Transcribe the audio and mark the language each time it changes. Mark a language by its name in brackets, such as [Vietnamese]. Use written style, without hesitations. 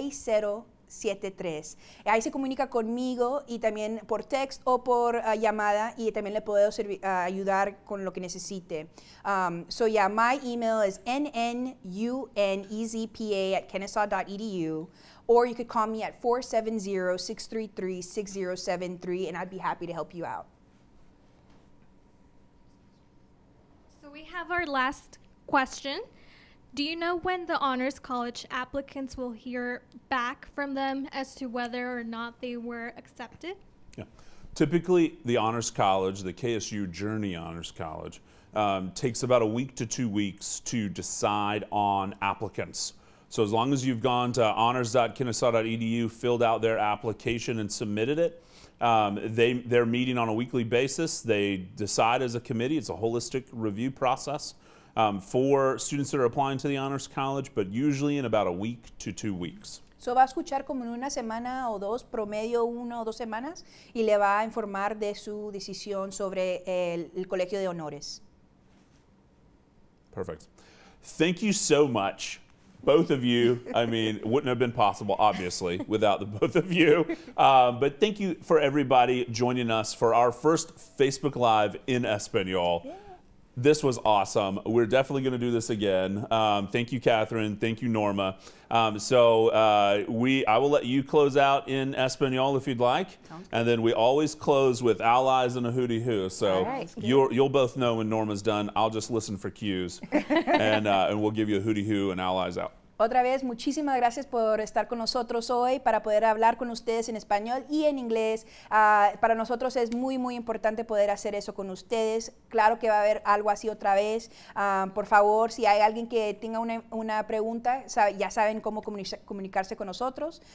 [Spanish] 470-633-6073. Ahí se comunica conmigo y también por text o por llamada y también le puedo ayudar con lo que necesite. [English] So yeah, my email is nnunezpa@kennesaw.edu or you could call me at 470-633-6073 and I'd be happy to help you out. So we have our last question. Do you know when the Honors College applicants will hear back from them as to whether or not they were accepted? Yeah. Typically, the Honors College, the KSU Journey Honors College, takes about a week to 2 weeks to decide on applicants. So as long as you've gone to honors.kennesaw.edu, filled out their application and submitted it, they're meeting on a weekly basis. They decide as a committee. It's a holistic review process. For students that are applying to the Honors College, but usually in about a week to 2 weeks. [Spanish] So va a escuchar como en una semana o dos, promedio una o dos semanas, y le va a informar de su decisión sobre el Colegio de Honores. [English] Perfect. Thank you so much, both of you. I mean, wouldn't have been possible, obviously, without the both of you. But thank you for everybody joining us for our first Facebook Live in Espanol. Yeah. This was awesome. We're definitely going to do this again. Thank you, Catherine. Thank you, Norma. I will let you close out in Espanol if you'd like. And then we always close with allies and a hooty who. So you'll both know when Norma's done. I'll just listen for cues. and we'll give you a hooty who and allies out. [Spanish] Otra vez, muchísimas gracias por estar con nosotros hoy para poder hablar con ustedes en español y en inglés. Para nosotros es muy, muy importante poder hacer eso con ustedes. Claro que va a haber algo así otra vez. Por favor, si hay alguien que tenga una pregunta, ya saben cómo comunicarse con nosotros.